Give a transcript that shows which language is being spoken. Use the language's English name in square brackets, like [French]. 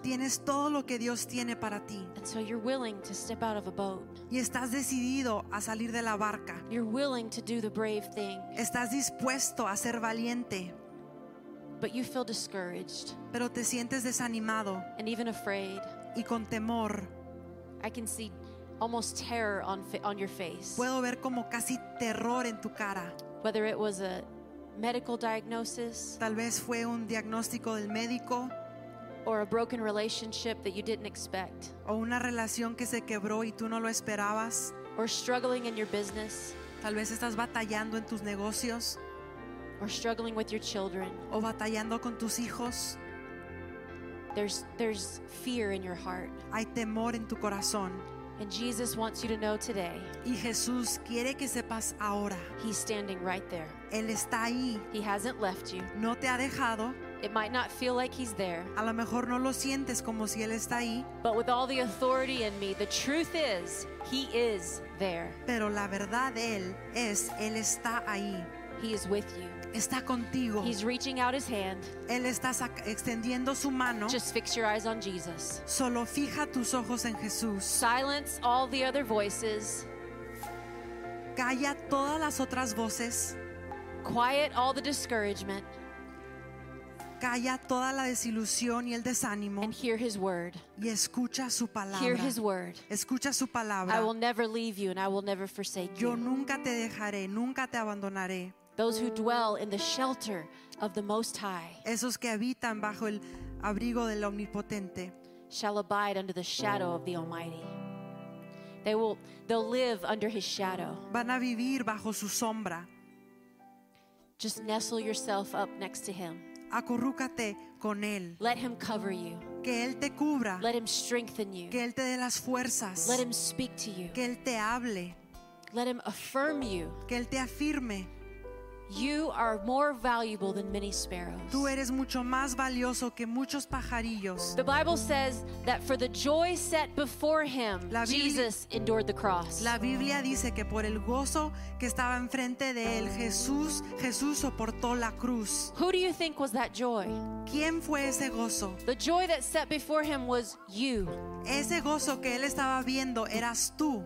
[Spanish] Tienes todo lo que Dios tiene para ti. [English] And so you're willing to step out of a boat. [Spanish] Y estás decidido a salir de la barca. [English] You're willing to do the brave thing. [Spanish] Estás dispuesto a ser valiente. [English] But you feel discouraged. [Spanish] Pero te sientes desanimado. [English] And even afraid. [Spanish] Y con temor. [English] I can see almost terror on your face. [Spanish] Puedo ver como casi terror en tu cara. [English] Whether it was a medical diagnosis, [Spanish] tal vez fue un diagnóstico del médico, [English] or a broken relationship that you didn't expect, [Spanish] o una relación que se quebró y tú no lo esperabas, [English] or struggling in your business, [Spanish] tal vez estás batallando en tus negocios, [English] or struggling with your children, [Spanish] o batallando con tus hijos. [English] There's fear in your heart. [Spanish] Hay temor en tu corazón. [English] And Jesus wants you to know today. [Spanish] Y Jesús quiere que sepas ahora. [English] He's standing right there. [Spanish] Él está ahí. [English] He hasn't left you. [Spanish] No te ha dejado. [English] It might not feel like he's there. [Spanish] A lo mejor no lo sientes como si él está ahí. [English] But with all the authority in me, the truth is, he is there. [Spanish] Pero la verdad de él es, él está ahí. [English] He is with you. [Spanish] Está contigo. [English] He's reaching out his hand. [Spanish] Él está extendiendo su mano. [English] Just fix your eyes on Jesus. [Spanish] Solo fija tus ojos en Jesús. [English] Silence all the other voices. [Spanish] Calla todas las otras voces. [English] Quiet all the discouragement. [Spanish] Calla toda la desilusión y el desánimo. [English] And hear his word. [Spanish] Y escucha su palabra. [English] Hear his word. [Spanish] Escucha su palabra. [English] I will never leave you and I will never forsake [Spanish] you. Yo nunca te dejaré, nunca te abandonaré. [English] Those who dwell in the shelter of the Most High, [Spanish] esos que habitan bajo el abrigo del Omnipotente, [English] shall abide under the shadow of the Almighty. They'll live under his shadow. [Spanish] Van a vivir bajo su sombra. [English] Just nestle yourself up next to him. [Spanish] Acurrúcate con él. [English] Let him cover you. [Spanish] Que él te cubra. [English] Let him strengthen you. [Spanish] Que él te dé las fuerzas. [English] Let him speak to you. [Spanish] Que él te hable. [English] Let him affirm you. [Spanish] Que él te afirme. [English] You are more valuable than many sparrows. [Spanish] Tú eres mucho más valioso que muchos pajarillos. [English] The Bible says that for the joy set before him, Jesus endured the cross. [Spanish] La Biblia dice que por el gozo que estaba enfrente de él, Jesús soportó la cruz. [English] Who do you think was that joy? [Spanish] ¿Quién fue ese gozo? [English] The joy that set before him was you. [Spanish] Ese gozo que él estaba viendo eras tú.